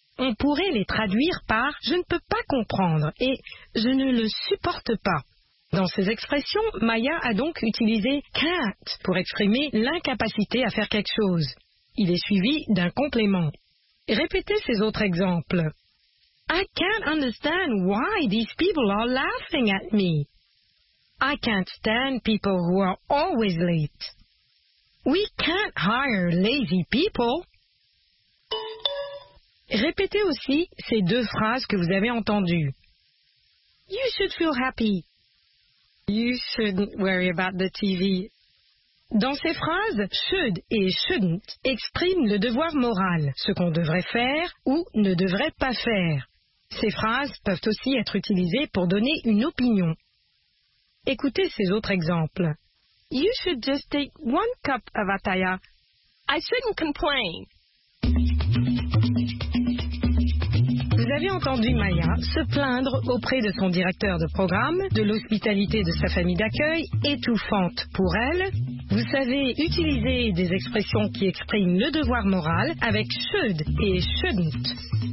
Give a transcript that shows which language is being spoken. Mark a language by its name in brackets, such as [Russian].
[French] On pourrait les traduire par « je ne peux pas comprendre » et « je ne le supporte pas ». Dans ses expressions, Maya a donc utilisé « can't » pour exprimer l'incapacité à faire quelque chose. Il est suivi d'un complément. Répétez ces autres exemples. [English] I can't understand why these people are laughing at me. I can't stand people who are always late. We can't hire lazy people. [French] Répétez aussi ces deux phrases que vous avez entendues. [English] You should feel happy. You shouldn't worry about the TV. [French] Dans ces phrases, « should » et « shouldn't » expriment le devoir moral, ce qu'on devrait faire ou ne devrait pas faire. Ces phrases peuvent aussi être utilisées pour donner une opinion. Écoutez ces autres exemples. [English] You should just take one cup of Ataya. I shouldn't complain. [French] Vous avez entendu Maya se plaindre auprès de son directeur de programme de l'hospitalité de sa famille d'accueil étouffante pour elle. Vous savez utiliser des expressions qui expriment le devoir moral avec should et shouldn't.